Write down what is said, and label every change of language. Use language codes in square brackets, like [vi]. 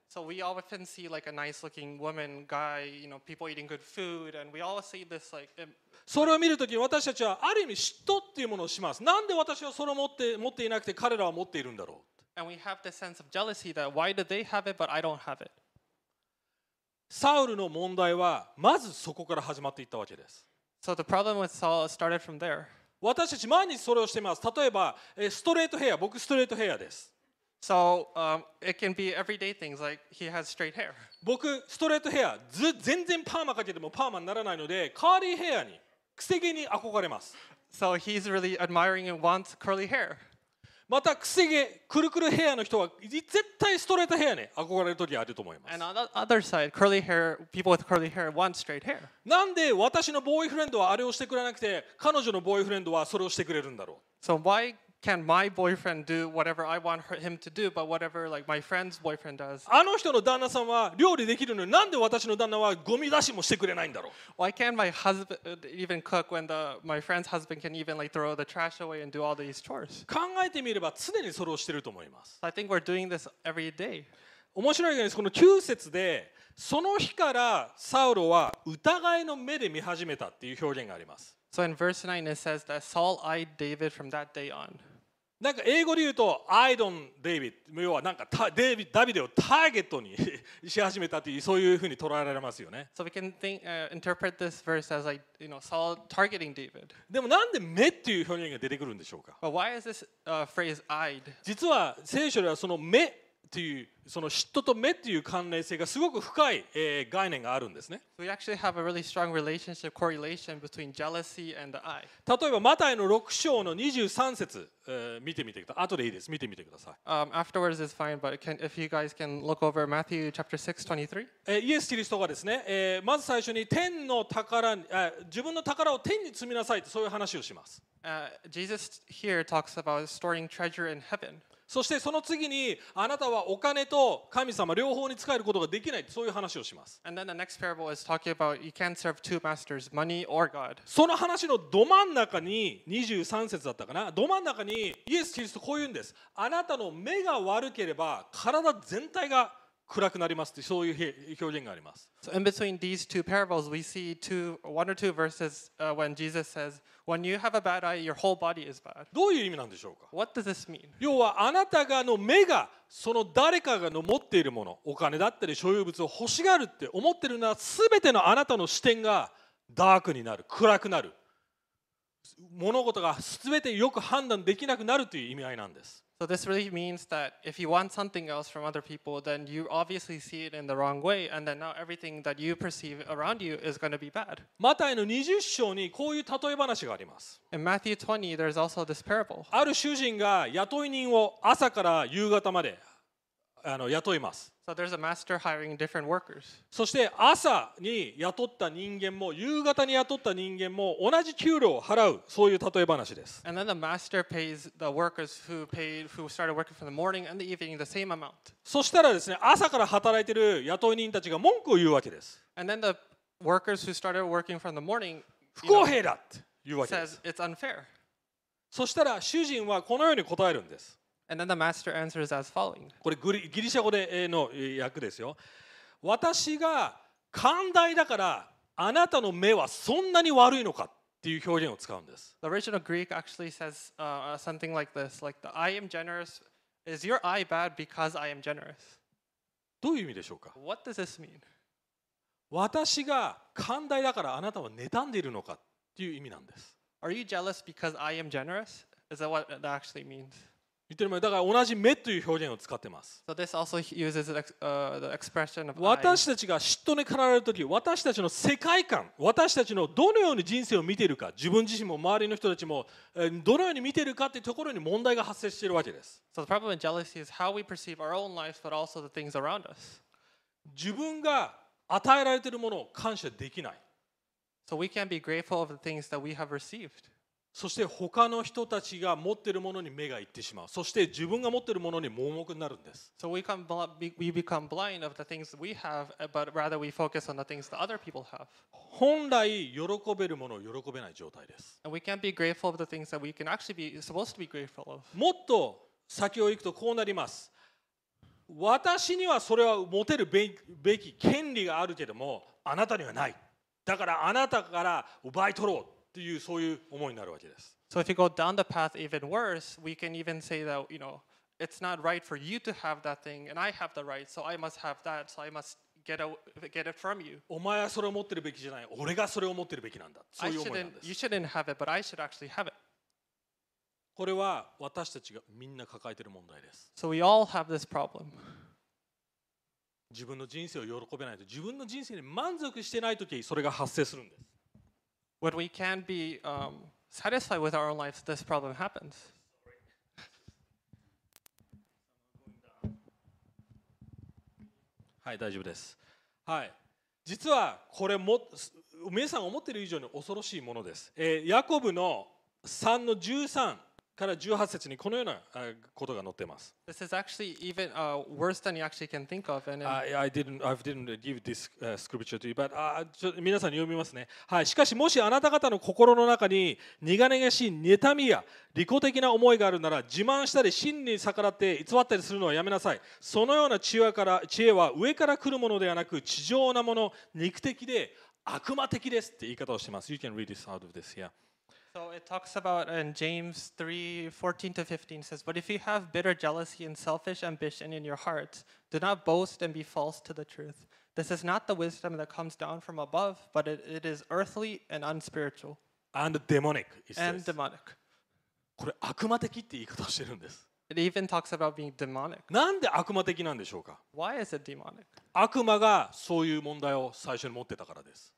[en] So we often see like a nice looking woman, guy, you know, people eating good food, and we all see this like. [ja] それを見るとき、私たちはある意味嫉妬っていうものをします。なんで私はそれを持っていなくて彼らは持っているんだろう。 [en] And we have the sense of jealousy that why do they have it but I don't have it. [ja] サウルの問題はまずそこから始まっていったわけです。 [en] So the problem with Saul started from there. [ja] 私たち毎日それをしています。例えばストレートヘア、僕ストレートヘアです。 [en] So it can be everyday things like he has straight hair. [ja] 僕ストレートヘア、全然パーマかけてもパーマにならないので、カーリーヘアに、くせ毛に憧れます。 [en] So he's really admiring and wants curly hair. [ja] またくせ毛、くるくるヘアの人は絶対ストレートヘアね、憧れる時あると思います。 [en] And on the other side, curly hair, people with curly hair want straight hair. [ja] なんで私のボーイフレンドはあれをしてくれなくて、彼女のボーイフレンドはそれをしてくれるんだろう。 [en] So why can my boyfriend do whatever I want him to do, but whatever like my friend's boyfriend does? [ja] あの人の旦那さんは料理できるのに、なんで私の旦那はゴミ出しもしてくれないんだろう。 [en] Why can't my husband even cook when my friend's husband can even like throw the trash away and do all these chores? [ja] 考えてみれば常にそれをしていると思います。 [en] I think we're doing this every day. [ja] 面白いです。この9節で、その日からサウロは疑いの目で見始めたっていう表現があります。 [en] So in verse 9 it says that Saul eyed David from that day on. [ja] なんか英語で言うと [en] I don't David [ja] 要はなんかダビデをターゲットにし始めたというそういうふうに捉えられますよね。 [en] So we can think, interpret this verse as like, you know, Saul targeting David. [ja] でもなんで目っていう表現が出てくるんでしょうか。 [en] But why is this phrase eyed? [ja] 実は聖書ではその目というその嫉妬と目という関連性がすごく深い概念があるんですね。 [en] We actually have a really strong relationship correlation between jealousy and the eye. [ja] 例えばマタイの6章の23節、見てみてください。後でいいです。見てみてください。 [en] Afterwards is fine, but if you guys can look over Matthew chapter 6:23. [ja] イエス・キリストがですね、まず最初に天の宝、自分の宝を天に積みなさいとそういう話をします。 [en] Jesus here talks about storing treasure in heaven. [ja] そしてその次にあなたはお金と神様両方に使えることができないそういう話をします。その話のど真ん中に23節だったかな、ど真ん中にイエス・キリストこう言うんです。あなたの目が悪ければ体全体が暗くなりますって、そういう表現があります。 [en] So in between these two parables we see one or two verses when Jesus says when you have a bad eye your whole body is bad. [ja] どういう意味なんでしょうか。 [en] What does this mean? [ja] 要はあなたがの目がその誰かがの持っているもの、お金だったり所有物を欲しがるって思ってるのは、全てのあなたの視点がダークになる、暗くなる、物事が全てよく判断できなくなるという意味合いなんです。 [en] So this really means that if you want something else from other people, then you obviously see it in the wrong way, and then now everything that you perceive around you is going to be bad. [ja] マタイの20章にこういう例え話があります。 [en] In Matthew 20, there's also this parable. [ja] ある主人が雇い人を朝から夕方まで雇います。 [en] So there's a master hiring different workers. [ja] そして朝に雇った人間も夕方に雇った人間も同じ給料を払う、そういう例え話です。 [en] And then the master pays the workers who started working from the morning and the evening the same amount. [ja] そしたらですね、朝から働いている雇い人たちが文句を言うわけです。 [en] And then the workers who started working from the morning [ja] 不公平だって言うわけです。 [en] Says it's unfair. [ja] そしたら主人はこのように答えるんです。 [en] And then the master answers as following. [ja] これギリシャ語の訳ですよ。私が寛大だからあなたの目はそんなに悪いのかっていう表現を使うんです。 [en] The original Greek actually says something like this, like the I am generous. Is your eye bad because I am generous? [ja] どういう意味でしょうか。 [en] What does this mean? [ja] 私が寛大だからあなたは妬んでいるのかっていう意味なんです。 [en] Are you jealous because I am generous? Is that what that actually means? [ja] 言ってるもん、だから同じ目という表現を使ってます。 [en] So this also uses the expression of [ja] 私たちが嫉妬に駆られるとき、私たちの世界観、私たちのどのように人生を見ているか、自分自身も周りの人たちもどのように見ているかというところに問題が発生しているわけです。 [en] So the problem with jealousy is how we perceive our own lives, but also the things around us. [ja] 自分が与えられているものを感謝できない。 [en] So we can't be grateful of the things that we have received. [ja] そして他の人たちが持っているものに目が行ってしまう。そして自分が持っているものに盲目になるんです。 [en] So we become blind of the things we have, but rather we focus on the things that other people have. [ja] 本来喜べるものを喜べない状態です。 [en] And we can't be grateful of the things that we can actually be supposed to be grateful of. [ja] もっと先を行くとこうなります。私にはそれは持てるべき権利があるけども、あなたにはない。だからあなたから奪い取ろうというそういう思いになるわけです。 [en] So if you go down the path even worse, we can even say that, you know, it's not right for you to have that thing, and I have the right, so I must have that, so I must get it from you. [ja] お前はそれを持ってるべきじゃない。俺がそれを持ってるべきなんだ。そういう思いなんです。 [en] You shouldn't have it, but I should actually have it. [ja] これは私たちがみんな抱えている問題です。 [en] So we all have this problem. [ja] 自分の人生を喜べないと、自分の人生に満足してないとき、それが発生するんです。 [en] When we can't be satisfied with our own lives, this problem happens. [ja] はい、大丈夫です。はい、実はこれも皆さん思っている以上に恐ろしいものです。ヤコブの3の13から18節にこのようなことが載っています。 [en] This is actually even worse than you actually can think of. And I didn't give this scripture to you, but [ja] 皆さんに読みますね。はい。しかしもしあなた方の心の中に苦々しい妬みや利己的な思いがあるなら、自慢したり真に逆らって偽ったりするのはやめなさい。そのような知恵は上から来るものではなく、地上なもの、肉的で悪魔的ですって言い方をしています。 [en] You can read this out of this here. So it talks about in James 3:14-15 says, But if you have bitter jealousy and selfish ambition in your hearts, do not boast and be false to the truth. This is not the wisdom that comes down from above, but it is earthly and unspiritual. And demonic, it says. And demonic. [ja] これ悪魔的って言い方をしてるんです。 [en] It even talks about being demonic. [ja] なんで悪魔的なんでしょうか? [en] Why is it demonic? [ja] 悪魔がそういう問題を最初に持ってたからです。